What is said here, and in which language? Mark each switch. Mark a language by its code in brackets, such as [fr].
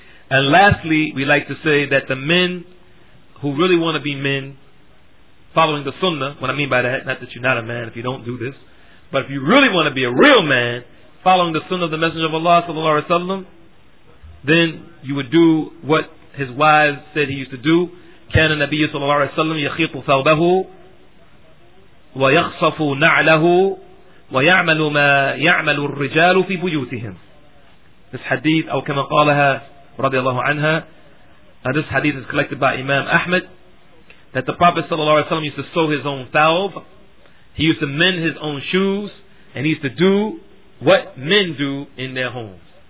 [en] And lastly, we like to say that the men who really want to be men following the sunnah, what I mean by that, not that you're not a man if you don't do this, but if you really want to be a real man following the sunnah of the Messenger of Allah [ar] صلى الله عليه وسلم, [en] then you would do what his wives said he used to do. [ar] كان النبي صلى الله عليه وسلم يخيط ثوبه ويخصف نعله ويعمل ما يعمل الرجال في بيوتهم. [en] This hadith, [ar] أو كما قالها رضي الله عنها, [en] this hadith is collected by Imam Ahmad, that the Prophet [ar] صلى الله عليه وسلم [en] used to sew his own thawb, he used to mend his own shoes, and he used to do what men do in their homes.